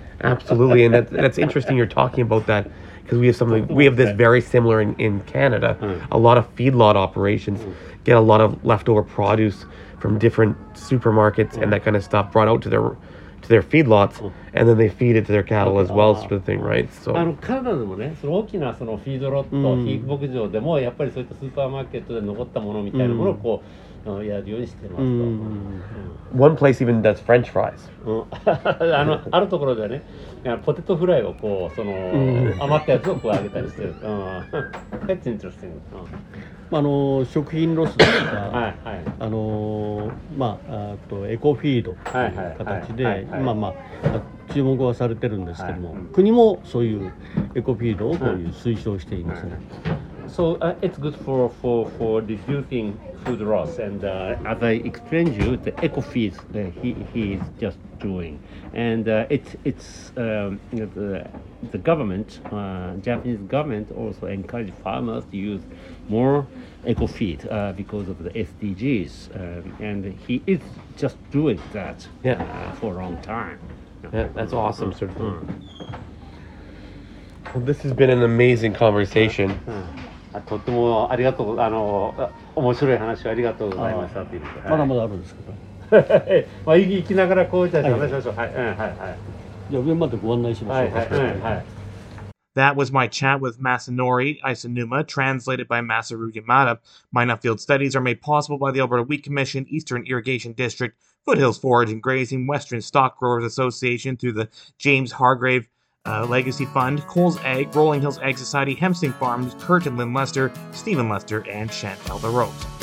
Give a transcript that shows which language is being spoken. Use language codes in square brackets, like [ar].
[en] Absolutely, and that's interesting you're talking about that, because we have something, we have this very similar in Canada. Mm. A lot of feedlot operations get a lot of leftover produce from different supermarkets and that kind of stuff brought out to their feedlots, and then they feed it to their cattle as well, sort of thing, right? So [ja] Canada でもね、その大きなそのフィードロット、肥育牧場でもやっぱりそういったスーパーマーケットで残ったものみたいなものをこう、やるようにしてます [en] と。One place even does French fries. [ja] あるところではね、ポテトフライをこう、その余ったやつをこう揚げたりしてる。 [en] That's interesting. [ja] 食品ロスとか、はいはい、あとエコフィードという形で今、まあ、注目はされてるんですけども、はい、国もそういうエコフィードをこういう推奨していますね。 [en] So it's good for reducing food loss, and as I explained you, the eco feeds that he is just doing, and the government, Japanese government also encourage farmers to use more eco feed because of the SDGs, and he is just doing that for a long time. Yeah, that's awesome, sir. Well, this has been an amazing conversation. [ja] とってもありがとう、面白い話をありがとうございましたっていう、はい、まだまだあるんですけど、まあ行きながらこういった話しましょう、はいはいはい、じゃあ上までご案内しましょう、はいはいはい。 [en] That was my chat with Masanori Isonuma, translated by Masaru Yamada. Minot Field Studies are made possible by the Alberta Wheat Commission, Eastern Irrigation District, Foothills Forage and Grazing, Western Stock Growers Association through the James Hargrave Legacy Fund, Coles Egg, Rolling Hills Egg Society, Hempstead Farms, Kurt and Lynn Lester, Stephen Lester, and Chantel the Rose.